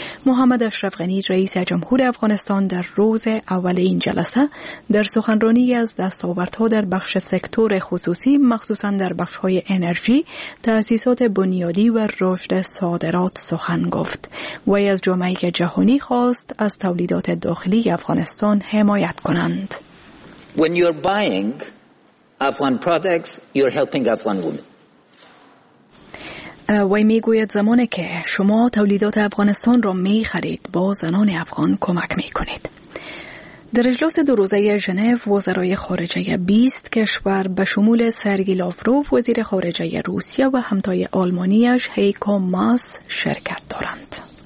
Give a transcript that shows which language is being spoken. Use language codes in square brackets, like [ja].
[fa] محمد اشرف غنی رئیس جمهور افغانستان در روز اول این جلسه در سخنرانی از دستاوردها در بخش سکتور خصوصی، مخصوصاً در بخش‌های انرژی، تأسیسات بنیادی و رشد صادرات سخن گفت. وی از جامعه جهانی خواست از تولیدات داخلی افغانستان حمایت کنند. [en] When you're buying Afghan products, you're helping Afghan women. [fa] وی می گوید زمانی که شما تولیدات افغانستان را می خرید با زنان افغان کمک می کنید. در اجلاس دو روزه ژنو، وزرای خارجه 20 کشور به شمول سرگی لاوروف، وزیر خارجه روسیه و همتای آلمانیش هیکو ماس شرکت دارند.